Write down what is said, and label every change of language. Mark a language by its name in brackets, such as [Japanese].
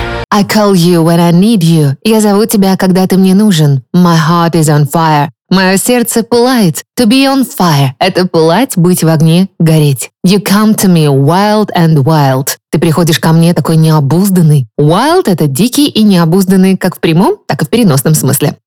[English] I call you when I need you. [Russian] Я зову тебя, когда ты мне нужен. [English] My heart is on fire. [Russian] Мое сердце пылает. [English] To be on fire. [Russian] Это пылать, быть в огне, гореть. [English] You come to me wild and wild. [Russian] Ты приходишь ко мне такой необузданный. Wild — это дикий и необузданный как в прямом, так и в переносном смысле.